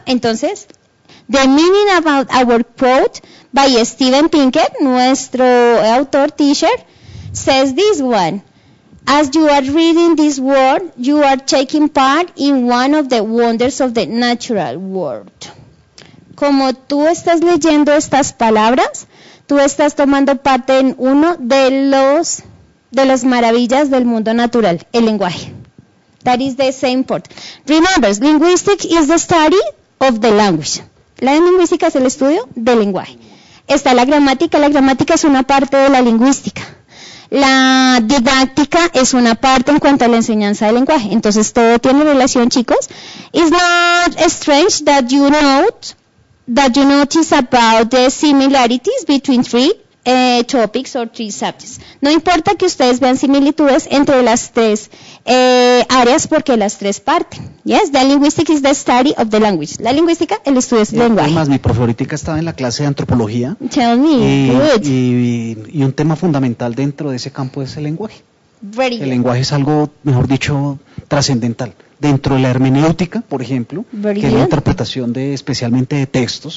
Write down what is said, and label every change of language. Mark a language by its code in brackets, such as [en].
[en] Entonces, the meaning about our quote by Steven Pinker, nuestro autor teacher, says this one. As you are reading this word, you are taking part in one of the wonders of the natural world. [es] como tú estás leyendo estas palabras, tú estás tomando parte en uno de los maravillas del mundo natural, el lenguaje. [en] That is the same part. Remember, linguistics is the study of the language. [es] La lingüística es el estudio del lenguaje. Está la gramática es una parte de la lingüística. La didáctica es una parte en cuanto a la enseñanza del lenguaje. Entonces, todo tiene relación, chicos. [en] It's not strange that you note, that you notice about the similarities between three topics or three subjects. [es] No importa que ustedes vean similitudes entre las tres áreas porque las tres parten. [en] Yes, the linguistics is the study of the language. [es] La lingüística, el estudio es el lenguaje. Además, mi profesorita estaba en la clase de antropología. [en] Tell me, good. [es] Y un tema fundamental dentro de ese campo es el lenguaje. [en] Very good. [es] El lenguaje es algo, mejor dicho, trascendental. Dentro de la hermenéutica, por ejemplo, que es la interpretación de, especialmente de textos,